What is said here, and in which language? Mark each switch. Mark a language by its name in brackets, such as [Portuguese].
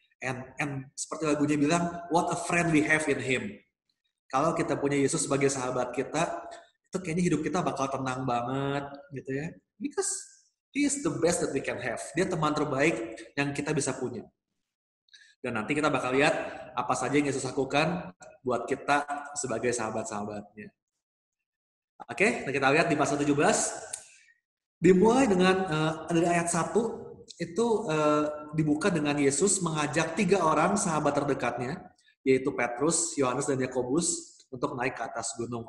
[English] And [Indonesian] seperti lagunya bilang, [English] what a friend we have in him. [Indonesian] Kalau kita punya Yesus sebagai sahabat kita, itu kayaknya hidup kita bakal tenang banget, gitu ya. [English] Because he is the best that we can have. [Indonesian] Dia teman terbaik yang kita bisa punya. Dan nanti kita bakal lihat apa saja yang Yesus lakukan buat kita sebagai sahabat-sahabatnya. Oke, nah kita lihat di pasal 17. Dimulai dengan dari ayat 1, itu dibuka dengan Yesus mengajak 3 orang sahabat terdekatnya, yaitu Petrus, Yohanes, dan Yakobus, untuk naik ke atas gunung.